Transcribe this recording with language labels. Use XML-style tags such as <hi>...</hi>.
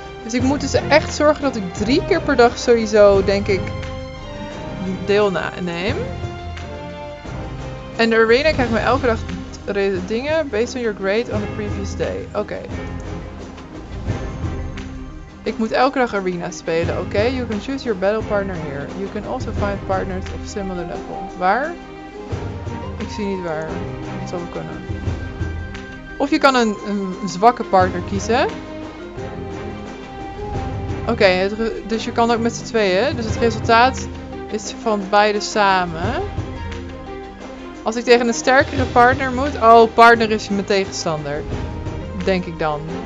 <nl>Dus ik moet dus echt zorgen dat ik 3 keer per dag sowieso, denk ik, deelneem. En de arena krijgt me elke dag dingen</nl> <en>based on your grade on the previous day.</en> <nl>Oké. Ik moet elke dag arena spelen, oké?</nl> <en>You can choose your battle partner here. You can also find partners of similar level.</en> <nl>Waar? Ik zie niet waar. Dat zou kunnen. Of je kan een zwakke partner kiezen. Oké, dus je kan ook met z'n tweeën. Dus het resultaat is van beide samen. Als ik tegen een sterkere partner moet... Oh, partner is mijn tegenstander. Denk ik dan.</nl>